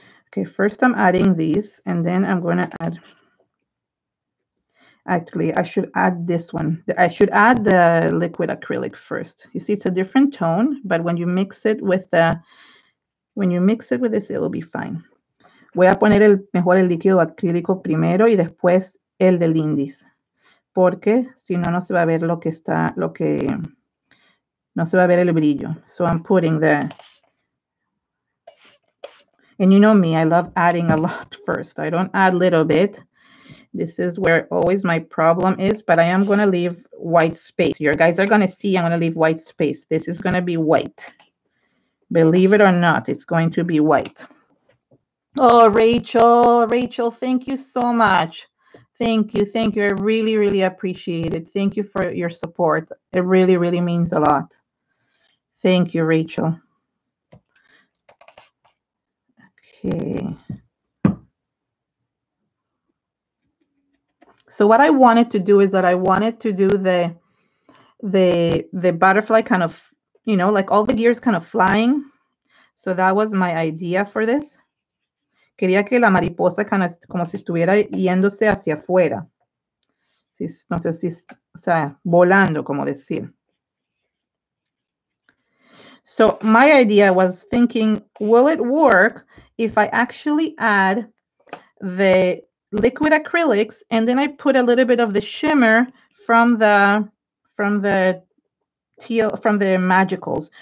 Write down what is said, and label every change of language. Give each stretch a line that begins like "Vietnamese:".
English: Okay, first I'm adding these, and then I'm going to add, actually, I should add this one. I should add the liquid acrylic first. You see, it's a different tone, but when you mix it with the, when you mix it with this, it will be fine.
Spanish: Voy a poner el mejor el líquido acrílico primero y después el del indis, porque si no, no se va a ver lo que está, lo que, no se va a ver el brillo.
English: So I'm putting the, and you know me, I love adding a lot first. I don't add a little bit. This is where always my problem is, but I am going to leave white space. Your guys are going to see I'm going to leave white space. This is going to be white. Believe it or not, it's going to be white. Oh, Rachel, thank you so much. Thank you. I really, really appreciate it. Thank you for your support. It really, really means a lot. Thank you, Rachel. Okay. So what I wanted to do is that I wanted to do the butterfly kind of, you know, like all the gears kind of flying. So that was my idea for this.
Spanish: Quería que la mariposa
English: kind of
Spanish: como si estuviera yéndose hacia afuera. Si, no sé si, o sea, volando, como decir.
English: So my idea was thinking, will it work if I actually add the liquid acrylics and then I put a little bit of the shimmer from the magicals?